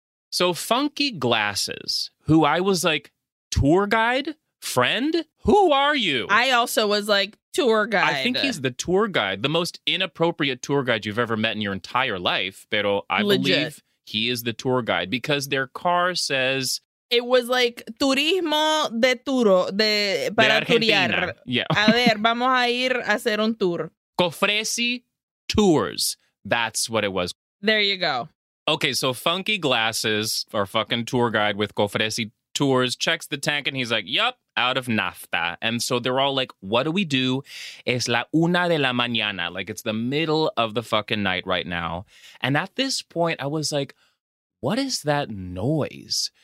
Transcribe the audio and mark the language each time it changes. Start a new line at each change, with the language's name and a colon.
English: So, Funky Glasses, who I was like, tour guide? Friend, who are you? I also was like, tour guide. I think he's the tour guide, the most inappropriate tour guide you've ever met in your entire life.
Spanish: Pero
English: I believe he is the tour guide because their car says it was like
Spanish: turismo de turo de para turiar.
English: Yeah.
Spanish: A ver, vamos a ir a hacer un tour.
English: Cofresi Tours. That's what it was. There you go. Okay, so Funky Glasses, our fucking tour guide with Cofresi Tours, checks the tank and he's like, yup, out of nafta. And so they're all like, what do we do?
Spanish: Es la una de la mañana.
English: Like, it's the middle of the fucking night right now. And at this point, I was like, what is that noise?